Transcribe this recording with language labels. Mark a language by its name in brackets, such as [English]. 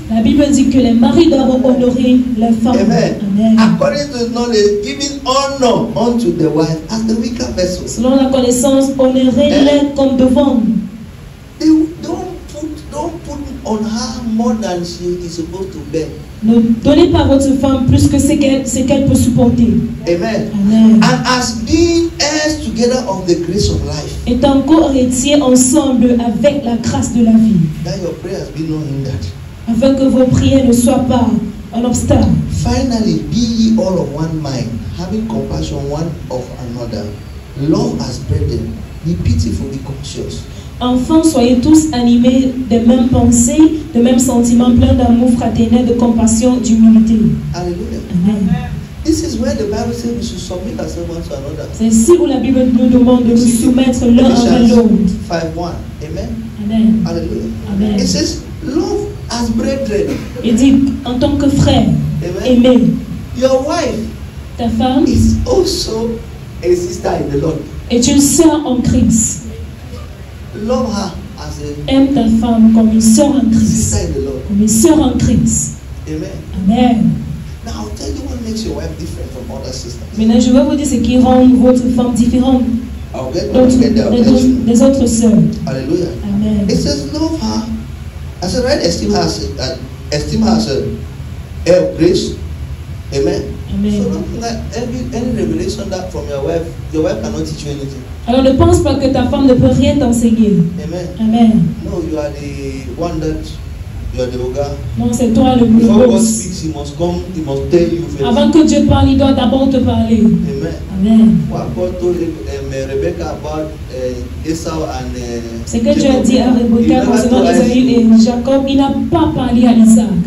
[French] La Bible dit que les maris doivent honorer leurs femmes. Amen. Amen. [English] According to knowledge, giving honor unto the wife as the weaker vessel. [French] Selon la connaissance, honorez-les comme devant. [English] Don't put on her more than she is supposed to bear. [French] Ne donnez pas à votre femme plus que ce qu'elle peut supporter. Amen. Amen. [English] And as being heirs together of the grace of life. [French] Étant co-héritiers ensemble avec la grâce de la vie. [English] That your prayers be not hindered. [French] Afin que vos prières ne soient pas un obstacle. [English] Finally, be ye all of one mind, having compassion one of another. Love as brethren, be pitiful, be conscious. [French] Enfin, soyez tous animés de mêmes pensées, de mêmes sentiments, pleins d'amour fraternel, de compassion, d'humilité. Alléluia. Amen. [English] This is where the Bible says we should submit ourselves one to another. [French] C'est ici où la Bible nous demande de nous soumettre l'un à l'autre. [English] Ephesians 5:1. Amen. Amen. Alléluia. Amen. It says, love as brethren. [French] Il dit, en tant que frère, aimez. [English] Your wife, [French] ta femme, [English] is also a sister in the Lord. [French] Est une sœur en Christ. [English] Love her as a [French] aime ta femme comme une sœur en Christ. [English] Sister in the Lord. [French] Comme une sœur en Christ. Amen. Amen. [English] Now I'll tell you what makes your wife different from other sisters. [French] Maintenant je vais vous dire ce qui rend votre femme différente. Des autres sœurs. Alléluia. Amen. [English] It says love her. I said right, esteem her as a heir of grace. Amen. Amen. So don't think that any revelation that from your wife cannot teach you anything. [French] Alors ne pense pas que ta femme ne peut rien t'enseigner. Amen. Amen. [English] No, you are the one that you are the ogre. [French] Non, c'est toi le boss. [English] Before God speaks, he must come, he must tell you first. [French] Avant que Dieu parle, il doit d'abord te parler. Amen. Amen. [English] What God told Rebecca about Esau and [French] ce que Dieu a dit à Rebecca concernant Esau et Jacob, il n'a pas parlé à Isaac.